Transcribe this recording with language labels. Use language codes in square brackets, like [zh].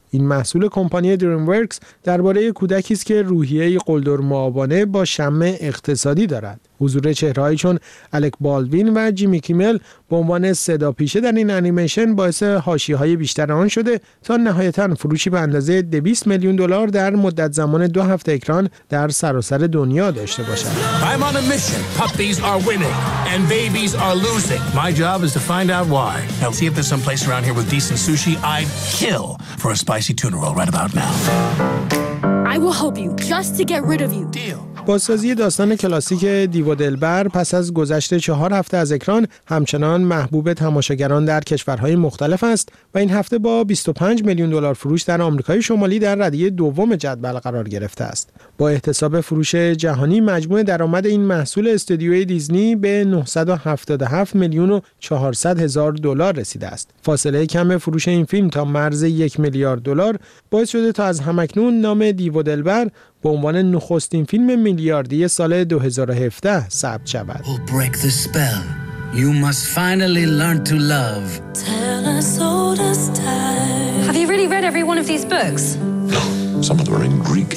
[fa] این محصول کمپانی دریم ورکس درباره کودکی است که روحیه قلدر معابانه با شمع اقتصادی دارد. حضور چهره‌هایی چون الک بالدوین و جیمی کیمل به عنوان صدا پیشه در این انیمیشن باعث حاشیه‌های بیشتر آن شده تا نهایتاً فروشی به اندازه 200 میلیون دلار در مدت زمان 2 هفته اکران در سراسر دنیا داشته باشد. [en] I'm on a mission. Puppies are winning and babies are losing. My job is to find out why. Now see if there's some place around here with decent sushi. I'd kill for a spicy tuna roll right about now. I will help you just to get rid of you. Deal. [fa] بازسازی داستان کلاسیک دیو دلبر پس از گذشت 4 هفته از اکران همچنان محبوب تماشاگران در کشورهای مختلف است و این هفته با 25 میلیون دلار فروش در آمریکای شمالی در ردیه دوم جدول قرار گرفته است. با احتساب فروش جهانی مجموع درآمد این محصول استودیوی دیزنی به 977 میلیون و 400 هزار دلار رسیده است. فاصله کم فروش این فیلم تا مرز 1 میلیارد دلار باعث شده تا از همکنون نام دیو دلبر به عنوان نخستین فیلم میلیاردی سال 2017 ثبت شود. [en] We'll break the spell. You must finally learn to love. Tell us all this time. Have you really read every one of these books? Some of them are in Greek.